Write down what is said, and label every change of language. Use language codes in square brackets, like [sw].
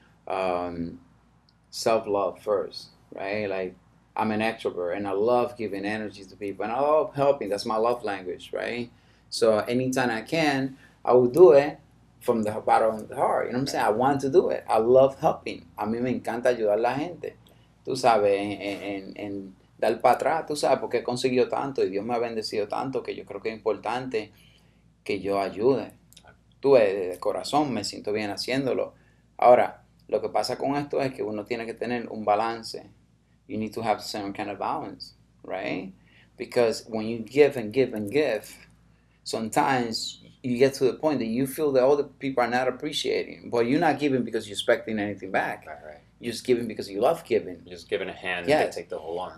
[en] Self-love first, right? Like, I'm an extrovert, and I love giving energy to people, and I love helping. That's my love language, right? So anytime I can, I will do it from the bottom of the heart. You know what I'm saying? I want to do it. I love helping. [es] A mí me encanta ayudar a la gente. Tú sabes, en dar para atrás, tú sabes, porque he conseguido tanto y Dios me ha bendecido tanto que yo creo que es importante que yo ayude. Tú, de corazón, me siento bien haciéndolo. Ahora, lo que pasa con esto es que uno tiene que tener un balance. [en] You need to have some kind of balance, right? Because when you give and give and give, sometimes you get to the point that you feel that other people are not appreciating, but you're not giving because you're expecting anything back. Right. You're just giving because you love giving. You're just giving a hand, yes. And they take the whole arm.